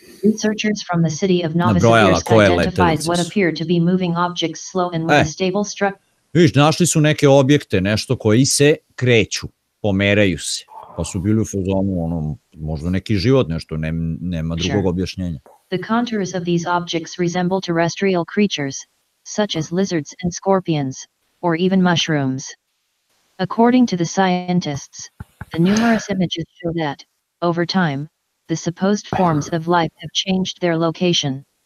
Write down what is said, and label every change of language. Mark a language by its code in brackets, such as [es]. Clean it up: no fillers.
[en] Researchers from the city of Novosibirsk identified what appear to be moving objects slow and with a stable structure. [sr] Viš, našli su neke objekte, nešto koji se kreću, pomeraju se. Pa su bili u fazonu, ono, možda neki život, nešto, nema drugog objašnjenja. [en] The contours of these objects resemble terrestrial creatures, such as lizards and scorpions, or even mushrooms. According to the scientists, the numerous images show that, over time, the supposed forms of life have changed their location.